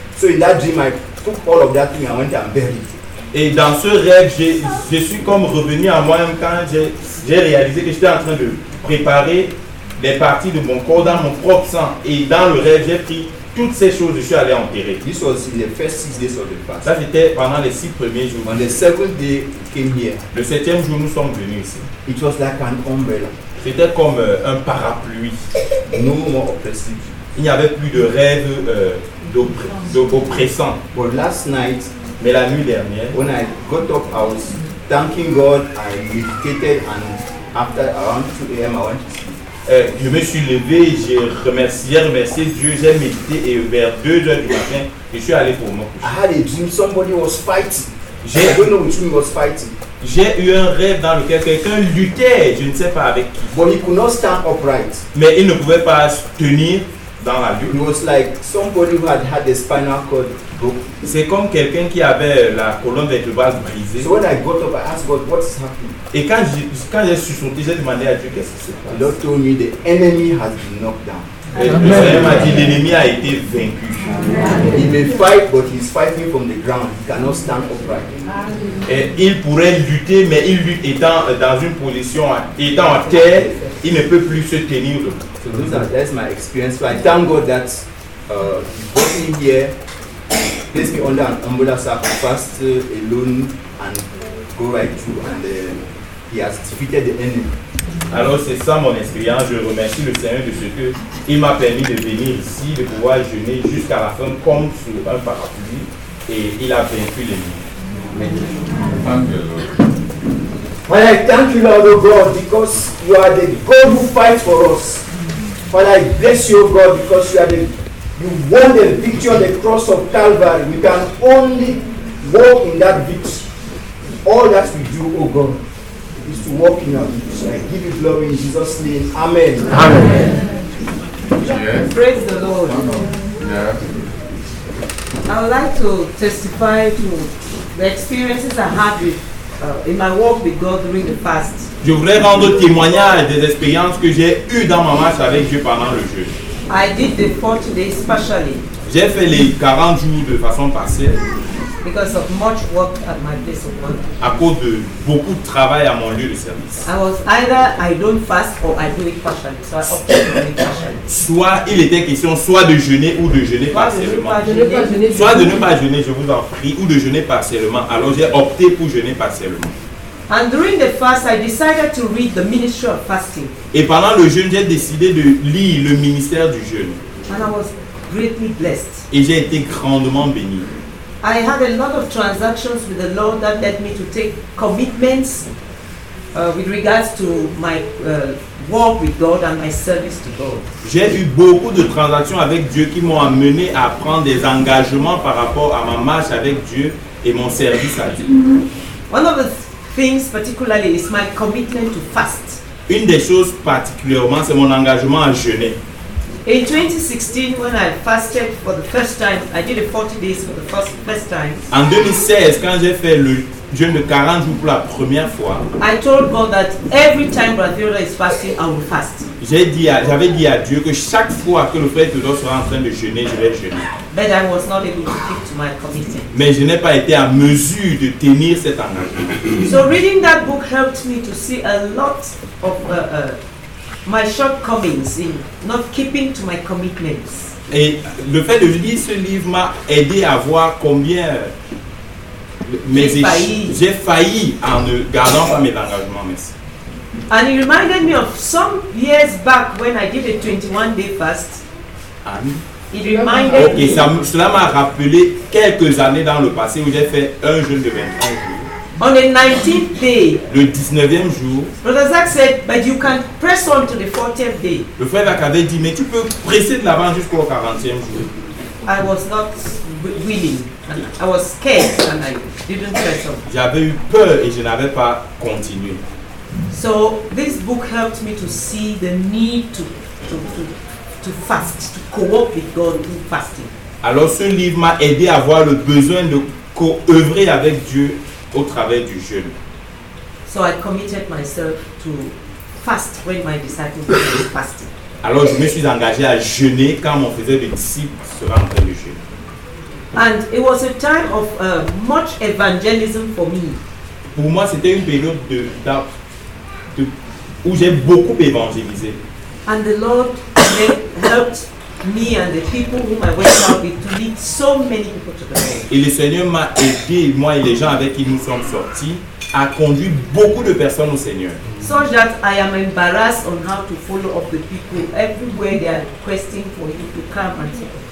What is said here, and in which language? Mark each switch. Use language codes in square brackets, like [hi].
[en] So in that dream, all of that thing, I went and buried it. [fr] Et dans ce rêve, je suis comme revenu à moi-même quand j'ai réalisé que j'étais en train de préparer des parties de mon corps dans mon propre sang. Et dans le rêve, j'ai pris toutes ces choses, je suis allé enterrer. [en] This was in the first 6 days of the fast. [fr] Ça, c'était pendant les 6 premiers jours. [en] On the second day, we came here. [fr] Le 7e jour, nous sommes venus ici. [en] It was like an umbrella. [fr] C'était comme un parapluie. [en] No more oppressive. [fr] Il n'y avait plus de rêve d'oppressant. [en] But last night, [fr] mais la nuit dernière, [en] when I got up, I was thanking God. I meditated, and after around 2 a.m., I went to sleep. [fr] Je me suis levé, j'ai remercié Dieu, j'ai médité, et vers 2h du matin, je suis allé pour moi. [en] I had a dream, somebody was fighting. I don't know which one was fighting. [fr] J'ai eu un rêve dans lequel quelqu'un luttait, je ne sais pas avec qui. [en] But he could not stand upright. [fr] Mais il ne pouvait pas se tenir. Dans la lutte. [en] It was like somebody who had the spinal cord broken. [fr] C'est comme quelqu'un qui avait la colonne vertébrale brisée. [en] So when I got up, I asked God, what's happening? [fr] Et quand j'ai sursauté, j'ai demandé à Dieu qu'est-ce qui se passe. [en] The Lord told me the enemy has been knocked down. [fr] Le Seigneur m'a dit l'ennemi a été vaincu. [en] Amen. He may fight, but he's fighting from the ground. He cannot stand upright. [fr] Et il pourrait lutter, mais il lutte étant dans une position, étant en terre, il ne peut plus se tenir. [en] So that's my experience. So I thank God that he brought me here, placed me under an umbrella, so I can fast alone and go right through. And he has defeated the enemy. [fr] Alors c'est ça mon expérience. Je remercie le Seigneur de ce que Il m'a permis de venir ici, de pouvoir jeûner jusqu'à la fin comme sous un parapluie. Et il a vaincu l'ennemi. [en] Father, I thank you, Lord, oh God, because you are the God who fights for us. Father, I bless you, oh God, because you are the you won the victory on the cross of Calvary. We can only walk in that victory. All that we do, oh God, is to walk in our victory. So I give you glory in Jesus' name. Amen. Amen. Yes. Praise the Lord. Amen. Yeah. I would like to testify to the experiences I had with in my walk with God during the fast. [fr] Je voudrais rendre témoignage des expériences que j'ai eues dans ma marche avec Dieu pendant le jeûne. [en] I did the 40 days partially. [fr] J'ai fait les 40 jours de façon partielle. [en] Because of much work at my place of work. [fr] À cause de beaucoup de travail à mon lieu de service. [en] I was either I don't fast or I do it partially. So I opted for it partially. [fr] Soit il était question soit de jeûner ou de jeûner partiellement. Soit de ne pas jeûner, je vous en prie, ou de jeûner partiellement. Alors j'ai opté pour jeûner partiellement. [en] And during the fast, I decided to read the ministry of fasting. [fr] Et pendant le jeûne, j'ai décidé de lire le ministère du jeûne. [en] And I was greatly blessed. [fr] Et j'ai été grandement béni. [en] I had a lot of transactions with the Lord that led me to take commitments with regards to my walk with God and my service to God. [fr] J'ai eu beaucoup de transactions avec Dieu qui m'ont amené à prendre des engagements par rapport à ma marche avec Dieu et mon service à Dieu. [en] One of the things particularly is my commitment to fast. [fr] Une des choses particulièrement, c'est mon engagement à jeûner. [en] In 2016, when I fasted for the first time, I did a 40 days for the first time. [fr] En 2016, quand j'ai fait le jeûne de 40 jours pour la première fois, [en] I told God that every time Brother is fasting, I will fast. [fr] J'avais dit à Dieu que chaque fois que le frère Théodore sera en train de jeûner, je vais jeûner. [en] But I was not able to keep to my commitment. [fr] Mais je n'ai pas été en mesure de tenir cet engagement. [en] So reading that book helped me to see a lot of my shortcomings in not keeping to my commitments. [fr] Et le fait de lire ce livre m'a aidé à voir combien j'ai failli en ne gardant pas mes engagements. Merci. [en] And it reminded me of some years back when I did a 21 day fast. [fr] Cela m'a rappelé quelques années dans le passé où j'ai fait un jeûne de 21 jours. [en] On the 19th day, [fr] le 19e jour, [en] Brother Zach said, but you can press on to the 40th day. [fr] Le frère Zach avait dit, mais tu peux presser de l'avant jusqu'au 40e jour. [en] I was not willing. I was scared and I didn't press on. [fr] J'avais eu peur et je n'avais pas continué. [en] So this book helped me to see the need to fast, to co-op with God in fasting. [fr] Alors ce livre m'a aidé à voir le besoin de co-œuvrer avec Dieu au travers du jeûne. [en] So I committed myself to fast when my disciples were fasting. [fr] Alors je me suis engagé à jeûner quand mon faisait des disciples sera en train de jeûner. [en] And it was a time of much evangelism for me. [fr] Pour moi, c'était une période de où j'ai beaucoup évangélisé. [en] And the Lord helped me and the people whom I went out with to lead so many people to the Lord. [fr] Et le Seigneur m'a aidé, moi et les gens avec qui nous sommes sortis, à conduire beaucoup de personnes au Seigneur. [en] So that I am embarrassed on how to follow up the people everywhere they are requesting for you to come and see.